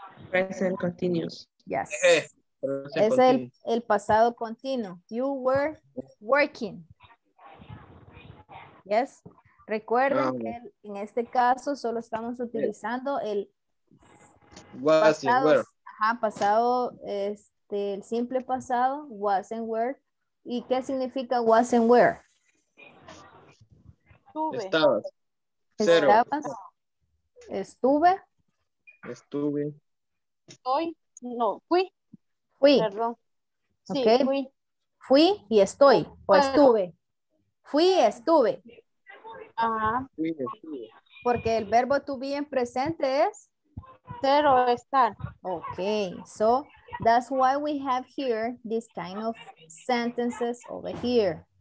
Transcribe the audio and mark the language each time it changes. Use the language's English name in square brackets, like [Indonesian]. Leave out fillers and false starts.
[English] Present continuous. [Spanish] Yes. Es el pasado continuo. [English] You were working. Yes. [Spanish] Recuerden que en este caso solo estamos utilizando el [English] was [Spanish] pasado, [English] and were. [Spanish] Ajá, pasado, este, el simple pasado, was and were. ¿Y qué significa was and were? Tuve. Estabas. Estabas. Estuve. Estuve. Estoy. No, fui. Fui. Perdón. Sí, okay. Fui. Fui y estoy. O bueno. Estuve. Fui y estuve. Ajá. Fui y estuve. Porque el verbo to be en presente es ser o estar. [English] Okay, so that's why we have here this kind of sentences over here.